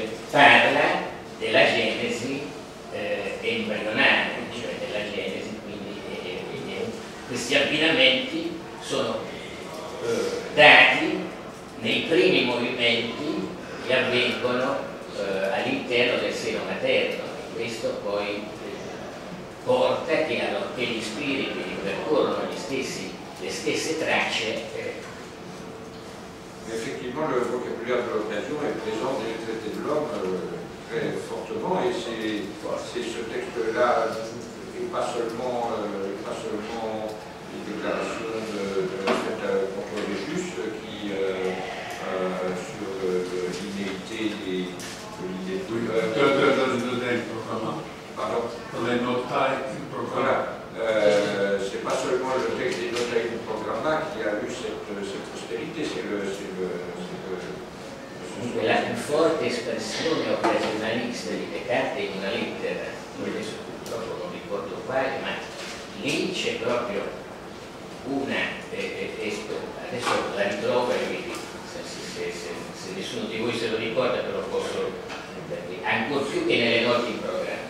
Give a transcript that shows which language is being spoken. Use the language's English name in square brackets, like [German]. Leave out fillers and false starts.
[Italian] parla della genesi embrionale, cioè della genesi, quindi questi abbinamenti sono dati nei primi movimenti che avvengono all'interno del seno materno, e questo poi porta che gli spiriti percorrono le stesse tracce. [French] Effectivement, le vocabulaire de l'occasion est présent dans les traités de l'homme très fortement, et c'est ce texte-là, et pas seulement les déclarations faites contre les justes qui, l'inéité des. C'est pas seulement le texte des Notae du Programma qui a eu cette prospérité, c'est [Italian] la più forte espressione occasionalista di Descartes in una lettera, adesso purtroppo non ricordo quale, ma lì c'è proprio una, adesso la ritrovo, se nessuno di voi se lo ricorda, però posso, ancor più che nelle Notti in Programma.